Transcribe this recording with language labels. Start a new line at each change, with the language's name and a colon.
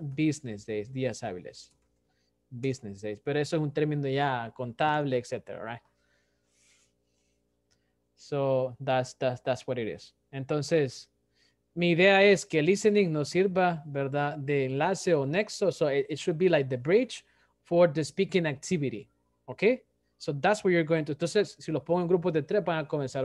English: Business days,
Spanish: días hábiles.
English: Business days.
Spanish: Pero eso es un término ya contable, etcétera, right?
English: So that's what it is.
Spanish: Entonces, mi idea es que listening nos sirva, ¿verdad? De enlace o nexo.
English: So it should be like the bridge for the speaking activity. Okay? So that's what you're going to.
Spanish: Entonces, si los pongo en grupos de tres, van a comenzar.